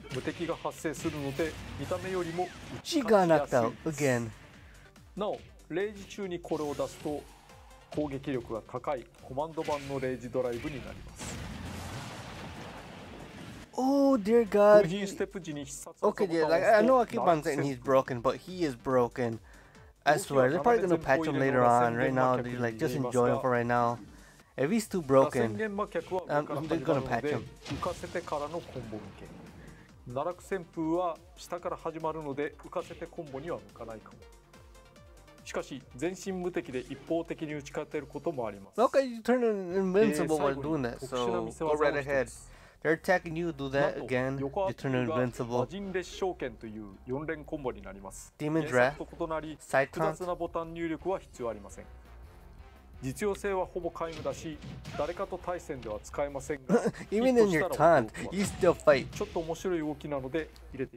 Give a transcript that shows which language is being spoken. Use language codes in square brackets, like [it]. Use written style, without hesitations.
[ja] 無敵が発生するので見た目よりも打ち勝ちやすいです。 [en] She got knocked out again. [ja] なお、レイジ中にこれを出すと攻撃力が高いコマンド版のレイジドライブになります。 [en] Oh dear god. [ja] 風神ステップ時に必殺技ボタンを押すと [en] Okay, yeah, like, I know I keep on saying he's broken, but he is broken. I swear, they're probably going to patch him later on. Right now, they're like, just enjoy him for right now. If he's too broken, they're going to patch him. [ja] 浮かせてからのコンボ向け。奈落旋風は下から始まるので、浮かせてコンボには向かないかも。しかし、全身無敵で一方的に打ち勝てることもあります。 [en] Okay, you turn invincible while doing that, so go right ahead. They're attacking you, do that again, you turn invincible. [ja] 魔神烈焦拳という4連コンボになります。 [en] Demon's Wrath? [ja] 原作と異なり、複雑なボタン入力は必要ありません。実用性はほぼ皆無だし、誰かと対戦では使えませんが、 [en] Even in your taunt, you still fight. [ja] ちょっと面白い動きなので入れて